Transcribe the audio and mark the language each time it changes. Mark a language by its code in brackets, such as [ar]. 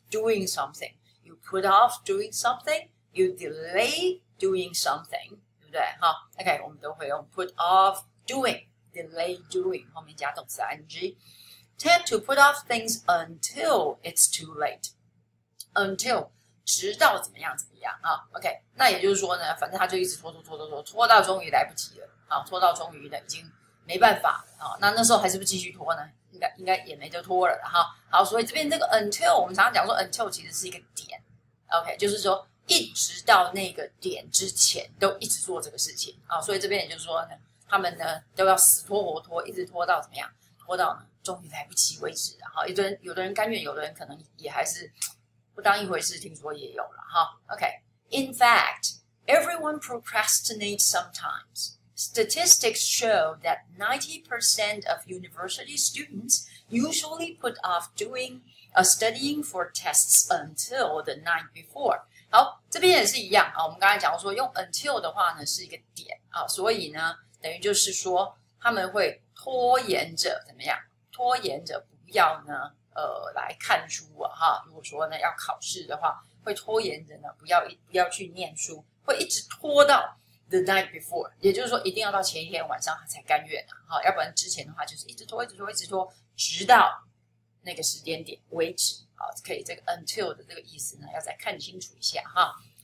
[en] Doing something, you put off doing something, you delay doing something, [zh] 对不对？哈 ，OK， 我们都会用 [en] put off doing, delay doing [zh] 后面加动词 ing. [en] Tend to put off things until it's too late. Until [zh] 直到怎么样怎么样啊 ？OK， 那也就是说呢，反正他就一直拖，拖到终于来不及了啊，拖到终于呢已经没办法啊。那那时候还是不继续拖呢？应该也没得拖了哈、啊。好，所以这边这个 until 我们常常讲说 until 其实是一个点 ，OK， 就是说一直到那个点之前都一直做这个事情啊。所以这边也就是说呢，他们呢都要死拖活拖，一直拖到怎么样？拖到呢终于来不及为止啊。好，有的人甘愿，有的人可能也还是。不当一回事，听说也有了哈。 [en] OK， in fact, everyone procrastinates sometimes. Statistics show that 90% of university students usually put off doing a studying for tests until the night before. [zh] 好，这边也是一样啊。我们刚才讲说，用 until 的话呢是一个点啊，所以呢，等于就是说他们会拖延着怎么样？拖延着不要呢。来看书啊哈，如果说呢要考试的话，会拖延着呢，不要去念书，会一直拖到 [en] the night before， [zh] 也就是说一定要到前一天晚上才甘愿啊哈，要不然之前的话就是一直拖，直到那个时间点为止，好，可以这个 until 的这个意思呢，要再看清楚一下哈。